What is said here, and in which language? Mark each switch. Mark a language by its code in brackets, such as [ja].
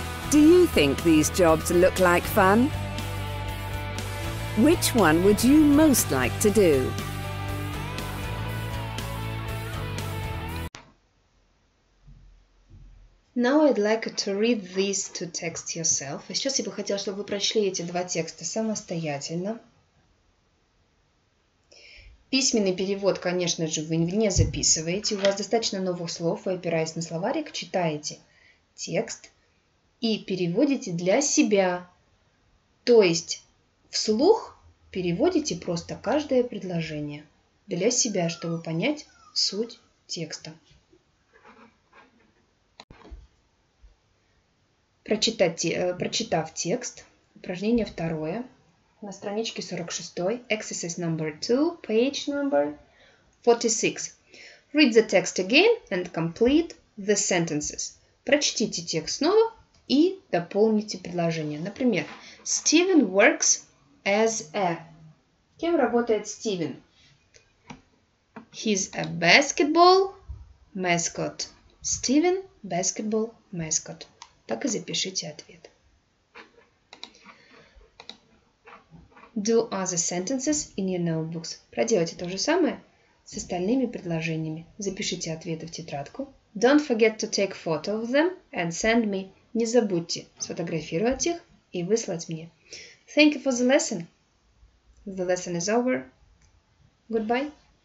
[en] Do you think these jobs look like fun? Which one would you most like to do? Now I'd like to read these two texts yourself. [ru] А сейчас я бы хотела, чтобы вы прочли эти два текста самостоятельно. Письменный перевод, конечно же, вы не записываете. У вас достаточно новых слов. Вы, опираясь на словарик, читаете текст и переводите для себя. То есть вслух переводите просто каждое предложение для себя, чтобы понять суть текста. Прочитав текст, упражнение второе, на страничке 46, [en] exercise number 2, page number 46. Read the text again and complete the sentences. [ru] Прочтите текст снова и дополните предложение. Например, [en] Steven works as a... [ru] Кем работает [en] Steven? He's a basketball mascot. [ru] Steven – [en] basketball mascot. [ru] Так и запишите ответ. [en] Do other sentences in your notebooks. [ru] Проделайте то же самое с остальными предложениями. Запишите ответы в тетрадку. [en] Don't forget to take photo of them and send me. [ru] Не забудьте сфотографировать их и выслать мне. [en] Thank you for the lesson. The lesson is over. Goodbye.